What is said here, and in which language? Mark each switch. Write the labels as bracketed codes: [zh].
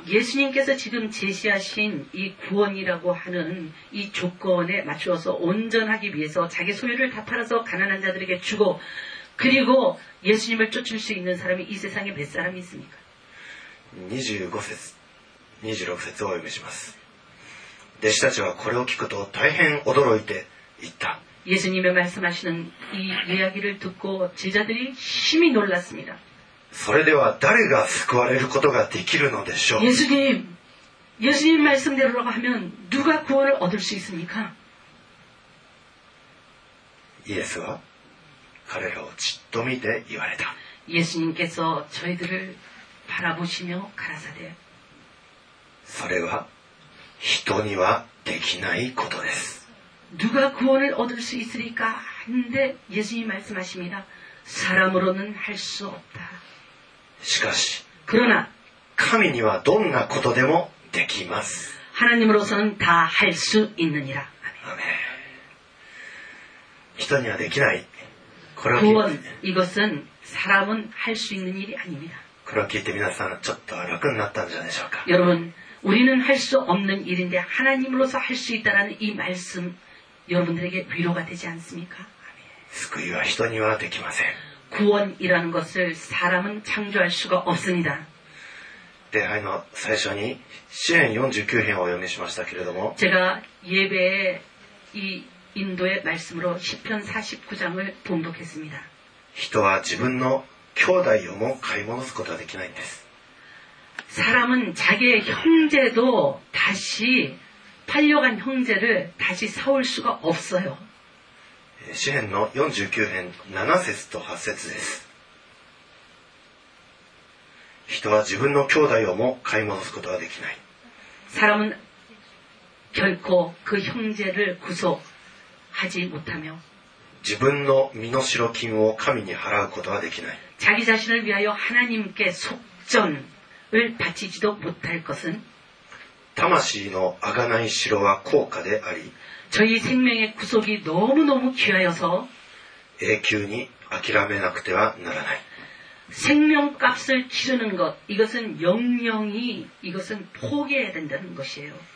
[ko] 그러면예수님께서지금제시하신이구원이라고하는이조건에맞추어서온전하기위해서자기소유를다팔아서가난한자들에게주고그리고예수님을쫓을수있는사람이이세상에몇사람이있습니까 [ja] 26節を読みします弟子たちはこれを聞くと大変驚いていった [ko] 예수님의말씀하시는이이야기를듣고제자들이심히놀랐습니다 [ja] それでは誰が救われることができるのでしょう [ko] 예수님예수님말씀대로라고하면누가구원을얻을수있습니까 [ja] 예수와彼らをじっと見て言われた [ko] 예수님께서저희들을바라보시며가라사대 [ja] それは人にはできないことです [ko] 누가구원을얻을수있으리까근데예수님말씀하십니다사람으로는할수없다 [ja] しかし [ko] 그러나 [ja] 神にはどんなことでもできます [ko] 하나님으로서는다할수있느니라 [ja] 아멘아멘人にはできない [ko] 구원이것은사람은할수있는일이아닙니다 그렇기때문에사람은조금락은났다는점이죠 여러분우리는할수없는일인데하나님으로서할수있다라는이말씀여러분들에게위로가되지않습니까 [ja] 救いは人にはできません [ko] 구원이라는것을사람은창조할수가없습니다 대회의최초에시편49편을읽었습니다 제가예배에이인도의말씀으로시편49장을봉독했습니다 [ja] 人は自分の兄弟をも買い戻すことはできないんです [ko] 사람은자기의형제도다시팔려간형제를다시사올수가없어요 시편49편7절과8절입니다 [ja] 人は自分の兄弟をも買い戻すことはできない [ko] 사람은결코그형제를구속하지못하며 [ja] 自分の身の代金を神に払うことはできない [ko] 자기자신을위하여하나님께속전을바치지도못할것은 [ja] 魂のあがない城は高価であり [ko] 저희생명의구속이너무너무귀하여서 [ja] 永久に諦めなくてはならない [ko] 생명값을치르는것이것은영영히이것은포기해야된다는것이에요